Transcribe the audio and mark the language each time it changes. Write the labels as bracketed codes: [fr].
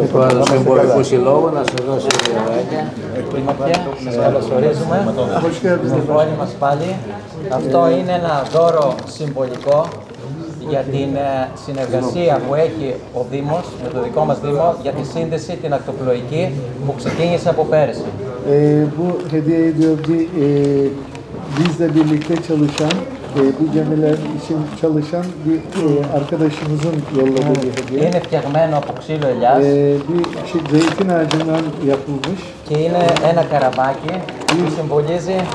[el] Ευχαριστώ στον εμπορικό συλλόγο να σου δώσει δύο λεπτά. Σα καλωσορίζουμε. Στην πόλη μα πάλι. Αυτό είναι ένα δώρο συμβολικό για την συνεργασία που έχει ο Δήμος, με το δικό μας Δήμο, για τη σύνδεση την ακτοπλοϊκή που ξεκίνησε από πέρυσι. [tr] Bu hediye ediyor ki bizle birlikte çalışan, bu gemiler için çalışan bir arkadaşımızın yolladığı bir hediye. [el] Είναι φτιαγμένο από ξύλο ελιάς. [tr] Bir zeytin ağacından yapılmış. [el] Και είναι ένα καραβάκι που συμβολίζει.